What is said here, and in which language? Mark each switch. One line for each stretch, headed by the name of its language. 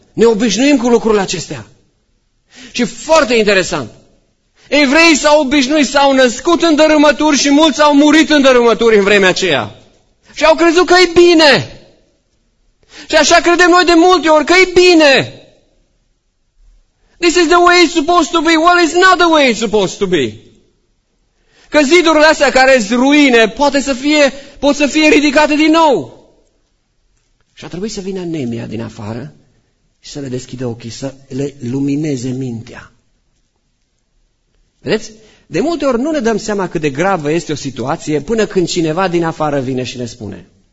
Romanian: Ne obișnuim cu lucrul acestea. Și foarte interesant, evreii s-au obișnuit, s-au născut în dărâmături și mulți au murit în dărâmături în vremea aceea. Și au crezut că e bine. Și așa credem noi de multe ori, că e bine.
English: This is the way it's supposed to be. Well, it's not the way it's supposed to be.
Romanian: Că zidurile astea care sunt ruine pot să fie ridicate din nou. Și a trebuit să vină Neemia din afară și să le deschidă ochii, să le lumineze mintea. Vedeți? De multe ori nu ne dăm seama cât de gravă este o situație până când cineva din afară vine și ne spune.